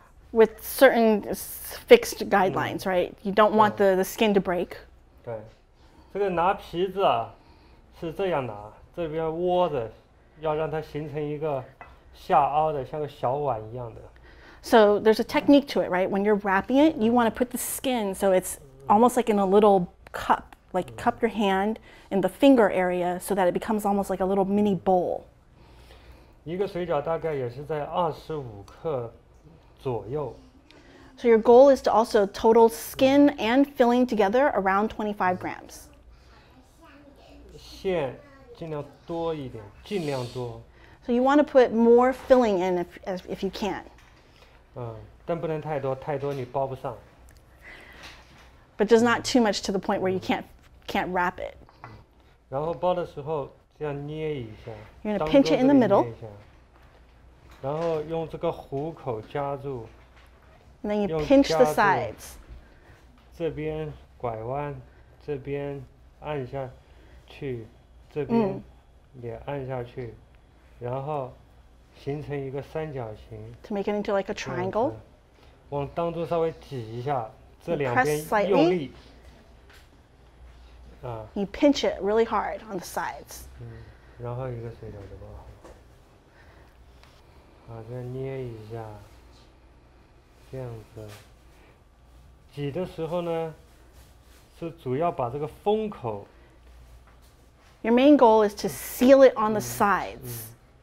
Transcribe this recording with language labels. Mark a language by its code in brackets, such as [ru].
[en] With certain fixed guidelines, right? You don't want the skin to break. [zh] 对，这个拿皮子啊，是这样拿，这边窝着，要让它形成一个下凹的，像个小碗一样的。 [en] So there's a technique to it, right? When you're wrapping it, you want to put the skin so it's almost like in a little cup, like cup your hand in the finger area so that it becomes almost like a little mini bowl. [zh] 一个水饺大概也是在25克左右。 [en] So your goal is to also total skin and filling together around 25 grams. [zh] 馅尽量多一点，尽量多。 [en] So you want to put more filling in if you can. [zh] 但不能太多，太多你包不上。 [en] But just not too much to the point where you can't wrap it. [zh] 然后包的时候这样捏一下。 [en] You're gonna pinch it in the middle. [zh] 然后用这个虎口夹住。 [en] And then you pinch the sides. [zh] 这边拐弯，这边按下去，这边也按下去，然后。形成一个三角形。 [en] To make it into like a triangle. [zh] 往当中稍微挤一下，这两边用力。 [en] You pinch it really hard on the sides. [zh] 然后一个水饺就包好。好，这样捏一下，这样子。挤的时候呢，是主要把这个封口。 [en] Your main goal is to seal it on the sides.